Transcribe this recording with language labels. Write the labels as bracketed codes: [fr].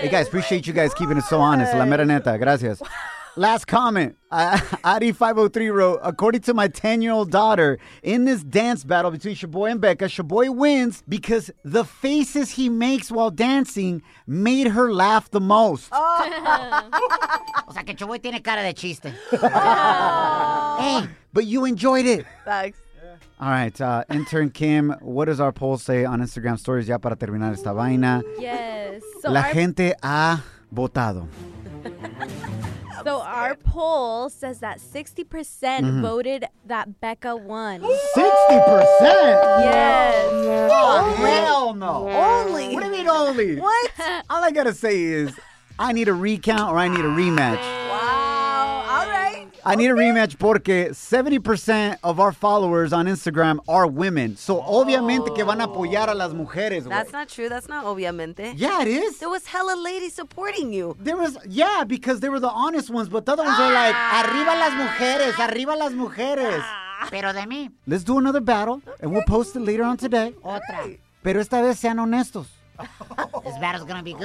[en] Hey, guys, appreciate you guys keeping it so honest. [es] La mera neta. Gracias. [en] Last comment, Adi 503 wrote, according to my 10-year-old daughter, in this dance battle between Shaboy and Becca, Shaboy wins because the faces he makes while dancing made her laugh the most. [es] O sea, que Shaboy tiene cara de chiste. [en] Hey, but you enjoyed it. Thanks. All right, intern Kim, what does our poll say on Instagram stories? [es] Ya para terminar esta vaina. [en] Yes. [es] So La gente ha votado. [en] So our poll says that 60% mm-hmm. voted that Becca won. 60%? Yes. Oh, only? Hell no. Yeah. Only. What do you mean only? What? All I got to say is I need a recount or I need a rematch. Wow. All right. I need a rematch porque 70% of our followers on Instagram are women. [es] So obviamente que van a apoyar a las mujeres. [en] That's not true. That's not obviamente. Yeah, it is. There was hella ladies supporting you. There was, yeah, because they were the honest ones. But the other ones were like, [es] arriba las mujeres, arriba las mujeres. Pero de mí. [en] Let's do another battle and we'll post it later on today. [es] Otra. Pero esta vez sean honestos. [en] This battle's gonna be good.